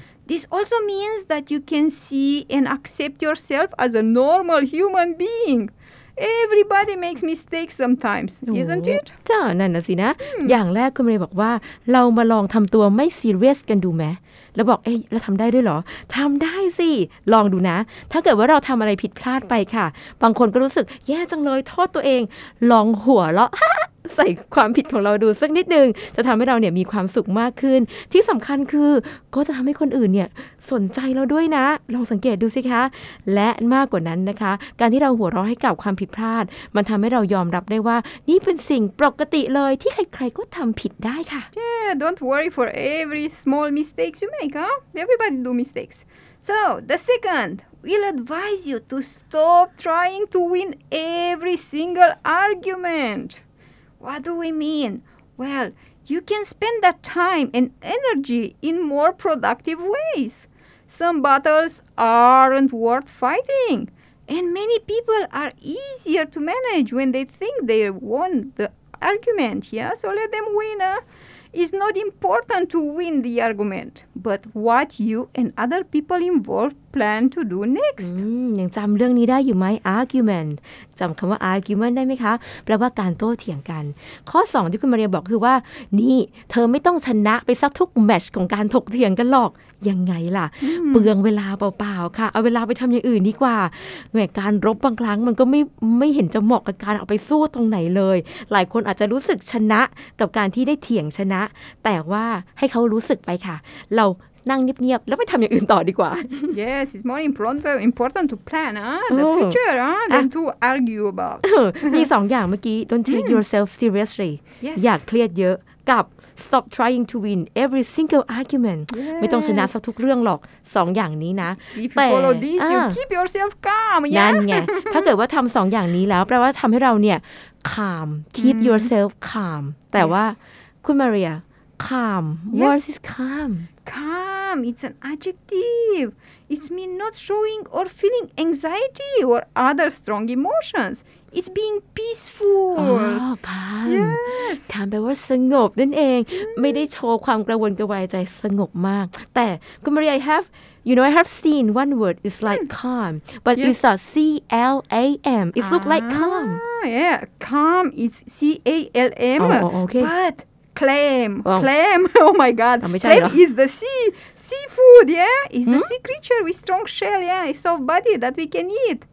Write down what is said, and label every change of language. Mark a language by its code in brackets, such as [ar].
[en] This also means that you can see and accept yourself as a normal human being. Everybody makes mistakes sometimes, isn't it? [th] ใช่นั่นน่ะสินะอย่างแรกคุณเรย์บอกว่าเรามาลองทำตัวไม่ซีเรียสกันดูไหมแล้วบอกเอ้ยเราทำได้ด้วยเหรอทำได้สิลองดูนะถ้าเกิดว่าเราทำอะไรผิดพลาดไปค่ะบางคนก็รู้สึกแย่จังเลยโทษตัวเองลองหัวเราะ ใส่ความผิดของเราดูสักนิดนึงจะทำให้เราเนี่ยมีความสุขมากขึ้นที่สำคัญคือก็จะทำให้คนอื่นเนี่ยสนใจเราด้วยนะลองสังเกตดูสิคะและมากกว่านั้นนะคะการที่เราหัวเราะให้กับความผิดพลาดมันทำให้เรายอมรับได้ว่านี่เป็นสิ่งปกติเลยที่ใครๆก็ทำผิดได้ค่ะ [en] Yeah don't worry for every small mistakes you make huh everybody do mistakes so the secondWe'll advise you to stop trying to win every single argument. What do we mean? Well, you can spend that time and energy in more productive ways. Some battles aren't worth fighting, and many people are easier to manage when they think they won the argument. Yeah, so let them win, huh? It's not important to win the argument, but what you and other people involved plan to do next. [th] ยังจำเรื่องนี้ได้อยู่ไหม argument จำคำว่า argument ได้ไหมคะแปลว่าการโต้เถียงกันข้อ2ที่คุณมาเรียบอกคือว่านี่เธอไม่ต้องชนะไปซักทุกแมตช์ของการถกเถียงกันหรอกยังไงล่ะเปลืองเวลาเปล่าๆค่ะเอาเวลาไปทำอย่างอื่นดีกว่าแหมการรบบางครั้งมันก็ไม่เห็นจะเหมาะกับการเอาไปสู้ตรงไหนเลยหลายคนอาจจะรู้สึกชนะกับการที่ได้เถียงชนะแต่ว่าให้เขารู้สึกไปค่ะเรานั่งเงียบๆแล้วไปทำอย่างอื่นต่อดีกว่า [en] Yes it's more important to plan the future than to argue about [th] มี2 อย่างเมื่อกี้ [en] don't take yourself seriously yes. [th] อย่าเครียดเยอะกับ [en] Stop trying to win every single argument. Yeah. [th] ไม่ต้องชนะสักทุกเรื่องหรอกสองอย่างนี้นะ [en] If you follow this, you keep yourself calm. [th] นั่นไง ถ้าเกิดว่าทำสองอย่างนี้แล้วแปลว่าทำให้เราเนี่ย [en] calm, keep yourself calm. [th] แต่ว่าคุณมาเรีย [en] calm. Yes. What is calm? Calm. It's an adjective. It's mean not showing or feeling anxiety or other strong emotions. It's being peaceful. Oh, calm. Yes. Calm [th] แปลว่าสงบนั่นเอง [en] mm. [th] ไม่ได้โชว์ความกระวนกระวายใจสงบมากแต่คุณมารี [en] I have you know I have seen one word is like calm but yes. it's a C L A M it look like calm. Yeah, calm is C A L M. Oh, okay. But clam, oh. clam. Oh my God. Clam is the seafood. Yeah, is the sea creature with strong shell. Yeah, a soft body that we can eat.